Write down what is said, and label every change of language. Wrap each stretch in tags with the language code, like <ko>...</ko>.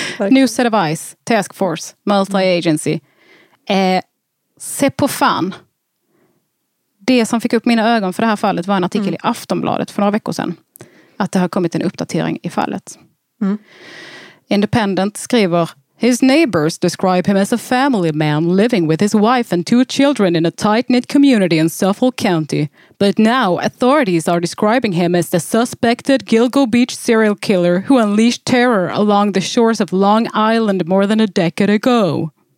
<en>New set of eyes, task force, multi-agency.</en> <sv>Se på fan. Det som fick upp mina ögon för det här fallet var en artikel i Aftonbladet för några veckor sedan. Att det har kommit en uppdatering i fallet. Mm.</sv> <en>Independent skriver: "His neighbors describe him as a family man living with his wife and two children in a tight-knit community in Suffolk County. But now authorities are describing him as the suspected Gilgo Beach serial killer who unleashed terror along the shores of Long Island more than a decade ago."</en>